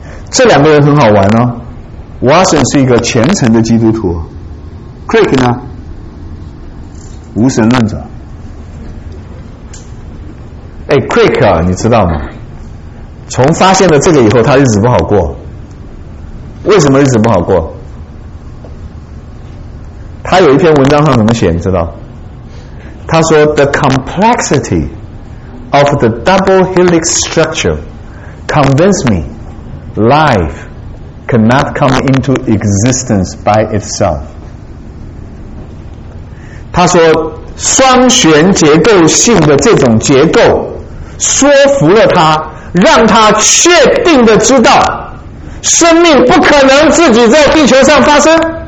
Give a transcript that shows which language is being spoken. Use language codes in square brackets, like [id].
[zh] 这两个人很好玩哦， Watson 是一个虔诚的基督徒， Crick 呢无神论者。哎， Crick 啊，你知道吗？从发现了这个以后他日子不好过。为什么日子不好过？他有一篇文章上怎么写你知道？他说 [en] The complexity of the double helix structure convinced me life cannot come into existence by itself。 [zh] 他说双旋结构性的这种结构说服了他，让他确定的知道生命不可能自己在地球上发生。